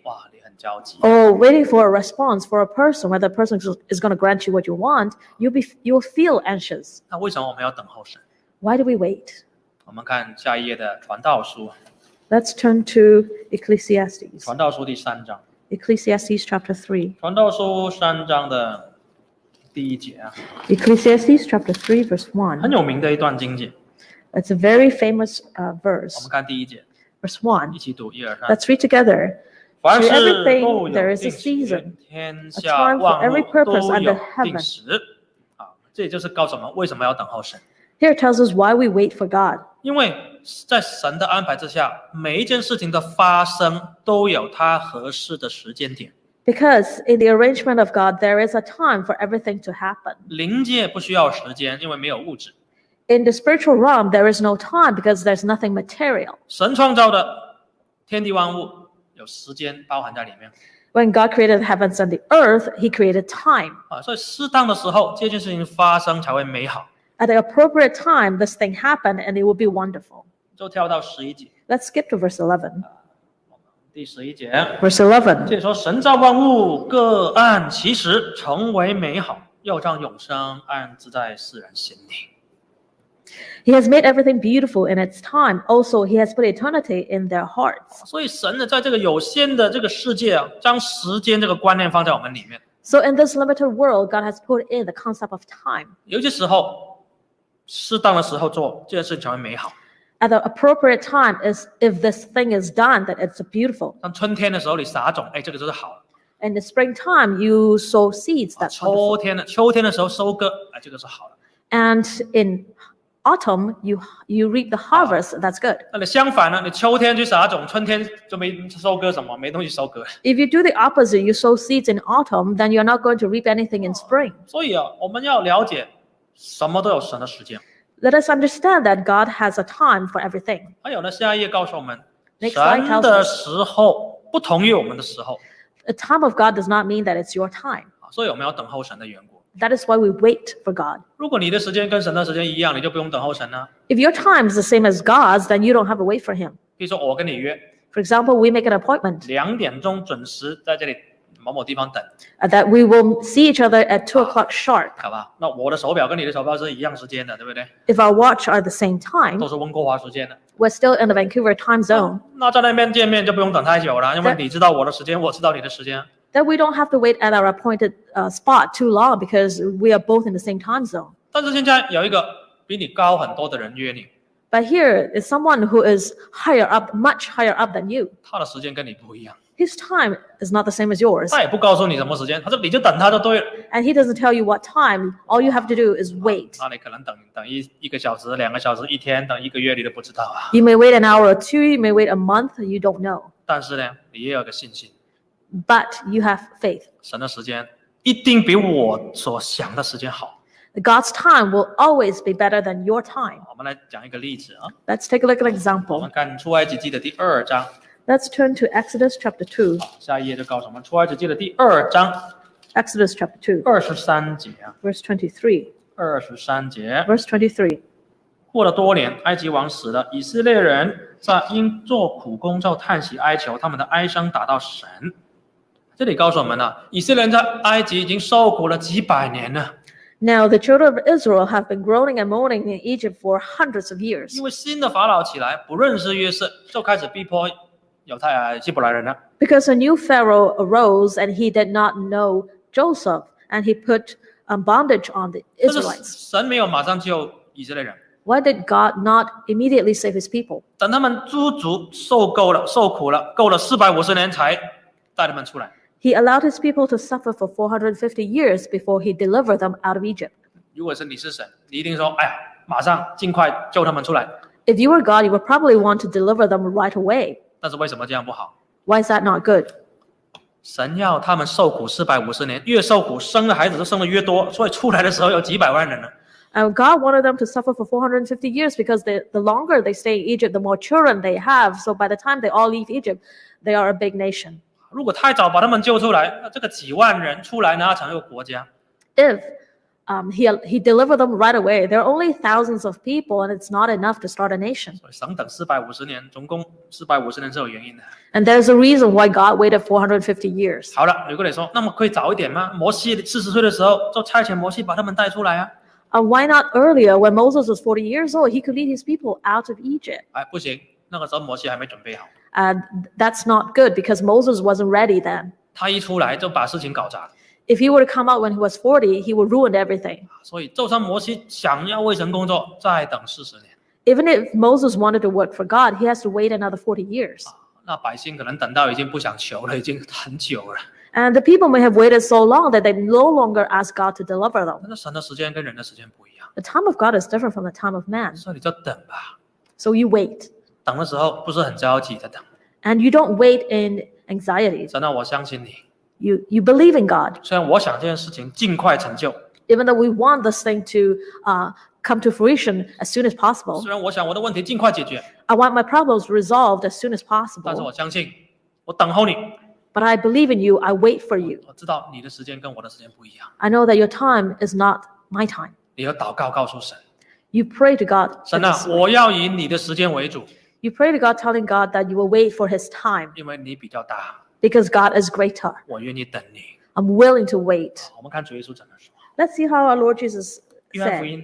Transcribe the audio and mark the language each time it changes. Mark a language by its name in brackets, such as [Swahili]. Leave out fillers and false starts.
[Chinese] 哇，你很焦急。 [English] Or waiting for a response for a person, whether the person is going to grant you what you want, you'll feel anxious. [Chinese] 那为什么我们要等候神 [English] ？Why do we wait？ [Chinese] 我们看下一页的传道书。 [English] Let's turn to Ecclesiastes. [Chinese] 传道书第三章。 [English] Ecclesiastes chapter 3. [Chinese] 传道书三章的第一节啊。 [English] Ecclesiastes chapter 3 verse 1. [Chinese] 很有名的一段经节。 [English] It's a very famous verse. [Chinese] 我们看第一节。 [English] Verse 1. [Chinese] 一起读一二三。 [English] Let's read together. For everything there is a season, a time for every purpose under heaven. [Chinese] 啊，这也就是告诉我们为什么要等候神。 [English] Here tells us why we wait for God. [Chinese] 因为在神的安排之下，每一件事情的发生都有它合适的时间点。 [English] Because in the arrangement of God, there is a time for everything to happen. [Chinese] 灵界不需要时间，因为没有物质。 [English] In the spiritual realm, there is no time because there's nothing material. [Chinese] 神创造的天地万物有时间包含在里面。 [English] When God created the heavens and the earth, He created time. [Chinese] 啊，所以适当的时候，这件事情发生才会美好。 [English] At the appropriate time, this thing happened, and it would be wonderful. [Chinese] 就跳到十一节。 [English] Let's skip to verse 11. [Chinese] 第十一节。 [English] Verse 11. [Chinese] 这里说神造万物，各按其时成为美好，又将永生安置在世人心里。 [English] He has made everything beautiful in its time. Also, He has put eternity in their hearts. [Chinese] 所以神呢，在这个有限的这个世界啊，将时间这个观念放在我们里面。 [English] So in this limited world, God has put in the concept of time. [Chinese] 有些时候。适当的时候做这件事情才会美好。 [English] At the appropriate time is if this thing is done, that it's beautiful. [Chinese] 像春天的时候你撒种，哎，这个就是好。 [English] In the springtime, you sow seeds. That's wonderful. [Chinese] 秋天的时候收割，哎，这个是好的。 [English] And in autumn, you reap the harvest. That's good. [Chinese] 那你相反呢？你秋天去撒种，春天就没收割什么，没东西收割。 [English] If you do the opposite, you sow seeds in autumn, then you're not going to reap anything in spring. [Chinese] 所以啊，我们要了解。什么都有神的时间。 [English] Let us understand that God has a time for everything. [Chinese] 还有呢，下一页告诉我们，神的时候不同于我们的时候。 [English] The time of God does not mean that it's your time. [Chinese] 所以我们要等候神的缘故。 [English] That is why we wait for God. [Chinese] 如果你的时间跟神的时间一样，你就不用等候神了。 [English] If your time is the same as God's, then you don't have to wait for Him. [Chinese] 比如说，我跟你约。 [English] For example, we make an appointment. [Chinese] 两点钟准时在这里。某某地方等 [English] ，that we will see each other at 2 o'clock sharp。 [Chinese] 好吧，那我的手表跟你的手表是一样时间的，对不对 [English] ？If our watch are the same time， [Chinese] 都是温哥华时间的。 [English] We're still in the Vancouver time zone。 [Chinese] 那在那边见面就不用等太久了，因为你知道我的时间，我知道你的时间。 [English] That we don't have to wait at our appointed spot too long because we are both in the same time zone。 [Chinese] 但是现在有一个比你高很多的人约你。 [English] But here is someone who is higher up, much higher up than you。 [Chinese] 他的时间跟你不一样。 [English] His time is not the same as yours. [Chinese] 他也不告诉你什么时间，他说你就等他就对了。 [English] And he doesn't tell you what time. All you have to do is wait. [Chinese] 那你可能等一个小时、两个小时、一天，等一个月，你都不知道啊。 [English] You may wait an hour or two. You may wait a month. You don't know. [Chinese] 但是呢，你也有个信心。 [English] But you have faith. [Chinese] 神的时间一定比我所想的时间好。 [English] God's time will always be better than your time. [Chinese] 我们来讲一个例子啊。 [English] Let's take a look at an example. [Chinese] 我们看出埃及记的第二章。 [English] Let's turn to Exodus chapter 2. [Chinese] 下一页就告诉我们出埃及记的第二章。 [English] Exodus chapter 2. [Chinese] 23节。 [English] Verse 23. [Chinese] 23节。 [English] Verse 23. [Chinese] 过了多年，埃及王死了，以色列人在因做苦工就叹息哀求，他们的哀声达到神。这里告诉我们了，以色列人在埃及已经受苦了几百年了。 [English] Now the children of Israel have been groaning and moaning in Egypt for hundreds of years. [Chinese] 因为新的法老起来，不认识约瑟，就开始逼迫。犹太人、希伯来人呢 [English] ？Because a new pharaoh arose and he did not know Joseph and he put bondage on the Israelites. [Chinese] 神没有马上救以色列人。 [English] Why did God not immediately save His people? [Chinese] 等他们诸族受够了、受苦了、够了450年才带他们出来。 [English] He allowed His people to suffer for 450 years before He delivered them out of Egypt. [Chinese] 如果是你是神，你一定说：“哎呀，马上尽快救他们出来。 [English] ”If you were God, you would probably want to deliver them right away. [Chinese] 但是为什么这样不好 [English] ？Why is that not good？ [Chinese] 神要他们受苦450年，越受苦，生的孩子就生的越多，所以出来的时候有几百万人呢。 [English] And God wanted them to suffer for 450 years because the longer they stay in Egypt, the more children they have. So by the time they all leave Egypt, they are a big nation. [Chinese] 如果太早把他们救出来，那这个几万人出来，哪成一个国家 [English] ？If he delivered them right away. There are only thousands of people, and it's not enough to start a nation. [Chinese] 神等450年，总共450年是有原因的。 [English] And there's a reason why God waited 450 years. [Chinese] 好了，如果你说，那么可以早一点吗？摩西40岁的时候就差遣摩西把他们带出来啊。 [English] Why not earlier when Moses was 40 years old, he could lead his people out of Egypt? [Chinese] 不行，那个时候摩西还没准备好。 [English] That's not good because Moses wasn't ready then. [Chinese] 他一出来就把事情搞砸。 [English] If he were to come out when he was 40, he would ruin everything. [Chinese] 所以，就算摩西想要为神工作，再等40年。 [English] Even if Moses wanted to work for God, he has to wait another 40 years. [Chinese] 那百姓可能等到已经不想求了，已经很久了。 [English] And the people may have waited so long that they no longer ask God to deliver them. [Chinese] 那神的时间跟人的时间不一样。 [English] The time of God is different from the time of man. [Chinese] 所以你就等吧。 [English] So you wait. [Chinese] 等的时候不是很焦急的等。 [English] And you don't wait in anxiety. [Chinese] 神啊，我相信你。 [English] You believe in God. [Chinese] 虽然我想这件事情尽快成就。 [English] Even though we want this thing to come to fruition as soon as possible. [Chinese] 虽然我想我的问题尽快解决, [English] I want my problems resolved as soon as possible. [Chinese] 但是我相信, [English] but I believe in you, I wait for you. [Chinese] 我知道你的时间跟我的时间不一样, [English] I know that your time is not my time. [Chinese] 你要祷告告诉神, [English] you pray to God. [Chinese] 神啊, 我要以你的时间为主, [English] you pray to God telling God that you will wait for his time. [Chinese] 因为你比较大, [English] because God is greater. [Chinese] 我愿意等你, [English] I'm willing to wait. [Chinese] 我们看主耶稣怎么说。 [English] Let's see how our Lord Jesus said.